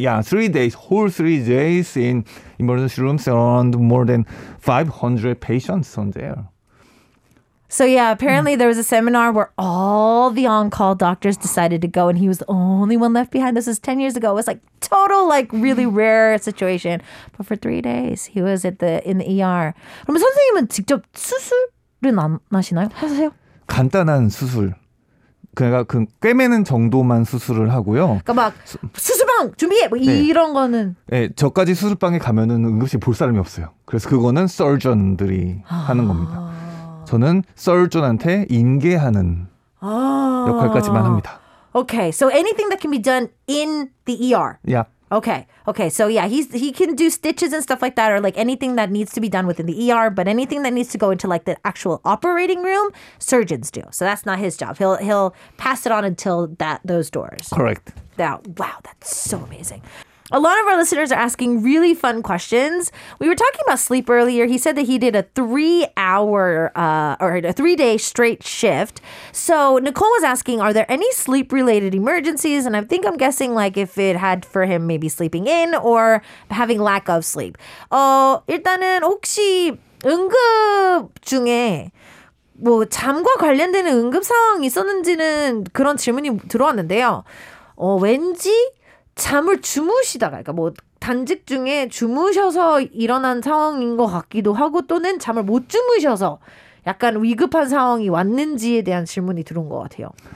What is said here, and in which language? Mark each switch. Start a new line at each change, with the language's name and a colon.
English: yeah, 3 days, whole 3 days in emergency rooms around more than 500 patients on there. So yeah, apparently there was a seminar where all the on-call doctors decided to go and he was the only one left behind. This was 10 years ago. It was like total, like really rare situation. But for 3 days, he was in the ER.
Korean: 그럼 선생님은 직접 수술? 는 안 하시나요? 하세요? 간단한 수술. 그러니까 그 꿰매는 정도만 수술을 하고요. 그러니까 막 수술방 준비해! 뭐 네. 이런 거는. 네. 저까지 수술방에 가면은 응급실 볼 사람이 없어요. 그래서 그거는 surgeon들이 하는 겁니다. 저는 surgeon한테 인계하는 역할까지만 합니다.
English: Okay. So anything that can be done in the ER. Yeah. Okay. Okay. So yeah, he can do stitches and stuff like that, or like anything that needs to be done within the ER. But anything that needs to go into like the actual operating room, surgeons do. So that's not his job. He'll pass it on until those doors. Correct. Wow, that's so amazing. A lot of our listeners are asking really fun questions. We were talking about sleep earlier. He said that he did a 3 hour or a 3 day straight shift. So Nicole was asking, are there any sleep related emergencies? And I think I'm guessing like if it had for him maybe sleeping in or having lack of sleep.
Korean: 일단은 혹시 응급 중에 뭐 잠과 관련되는 응급 상황이 있었는지는 그런 질문이 들어왔는데요. 왠지 잠을 주무시다가, 그러니까 뭐 단직 중에 주무셔서 일어난 상황인 것 같기도 하고 또는 잠을 못 주무셔서 약간 위급한 상황이 왔는지에 대한 질문이 들어온 것 같아요.